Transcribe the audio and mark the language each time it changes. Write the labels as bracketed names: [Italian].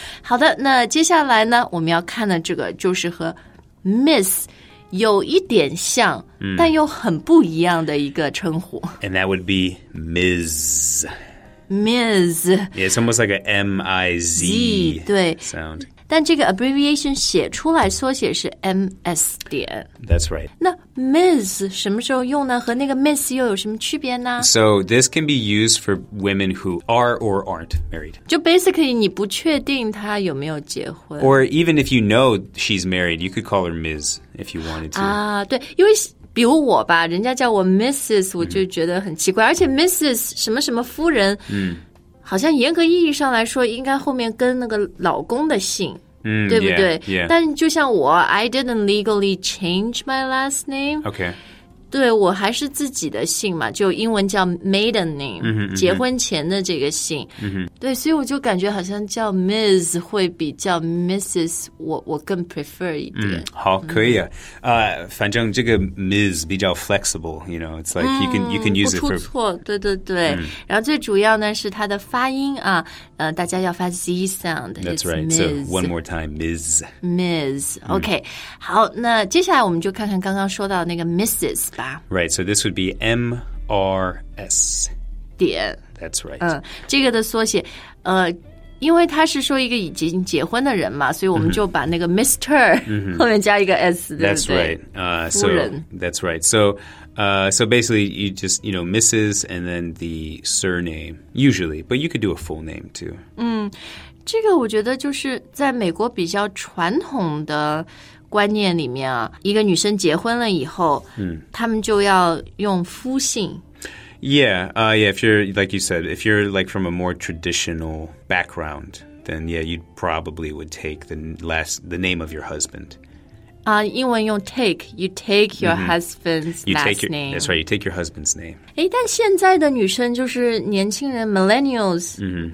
[Chinese] 好的那接下来呢我们要看的这个就是和 Miss有一点像、但又很不一样的一个称呼 [English] And that would be Ms. Ms. Yeah, it's almost like a M-I-Z Z, sound [Chinese] 对但这个 abbreviation 写出来缩写是 M-S 点 [English] That's right [Chinese] 那 Ms. 什么时候用呢和那个 Miss 又有什么区别呢 [English] So this can be used for women who are or aren't married [Chinese] 就 basically 你不确定她有没有结婚 [English] Or even if you know she's married You could call her Ms. if you wanted to [Chinese] 啊、对因为比如我吧人家叫我 Mrs. 我就觉得很奇怪、而且 Mrs. 什么什么夫人好像严格意义上来说应该后面跟那个老公的姓对不对 [English] yeah, yeah. [Chinese] 但就像我 [English] I didn't legally change my last name Okay [Chinese] 对我还是自己的姓嘛就英文叫 maiden name 结婚前的这个姓、对所以我就感觉好像叫 Ms. 会比叫 Mrs. 我更 prefer 一点、好可以啊、反正这个 Ms. 比较 [English] flexible You know it's like you can use it for [Chinese] 不出错对对对、然后最主要呢是它的发音啊大家要发 Z sound. [English] That's right. So one more time, Ms. [Chinese] Ms. Okay.、Mm. 好，那接下来我们就看看刚刚说到那个 Mrs. 吧。 [English] Right. So this would be MRS. [Chinese] 点。 [English] That's right. [Chinese] 这个的缩写，因为他是说一个已经结婚的人嘛，所以我们就把那个 Mr.、Mm-hmm. 后面加一个 S, 对不对 [English] That's right. So, [Chinese] 夫人。 [English] That's right. So,so basically, you just, you know, Mrs. and then the surname, usually. But you could do a full name, too. [Chinese] 这个我觉得就是在美国比较传统的观念里面啊，一个女生结婚了以后，他们就要用夫姓。 [English] Yeah, yeah, if you're, like you said, if you're like from a more traditional background, then yeah, you probably would take the name of your husband. [Chinese] 英文用 [English] take, you take your、mm-hmm. husband's you last take your, name. That's right, you take your husband's name. [Chinese] 但现在的女生就是年轻人 millennials,、mm-hmm.